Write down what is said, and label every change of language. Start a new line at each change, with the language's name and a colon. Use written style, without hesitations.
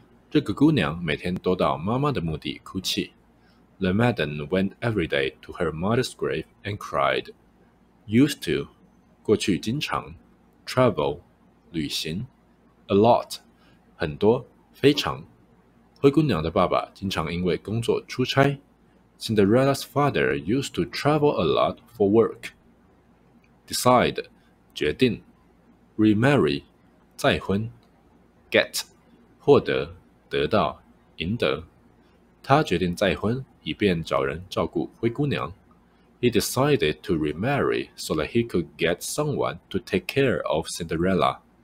Chinese: 这个姑娘每天都到妈妈的墓地哭泣。
English: The maiden went every day to her mother's grave and cried。
Chinese: Used to， 过去经常 ，travel， 旅行 ，a lot， 很多，非常。灰姑娘的爸爸经常因为工作出差。
English: Cinderella's father used to travel a lot for work。
Chinese: Decide， 决定 ，remarry， 再婚 ，get， 获得，得到，赢得。他决定再婚，以便找人照顾灰姑娘。
English: He decided to remarry so that he could get someone to take care of Cinderella.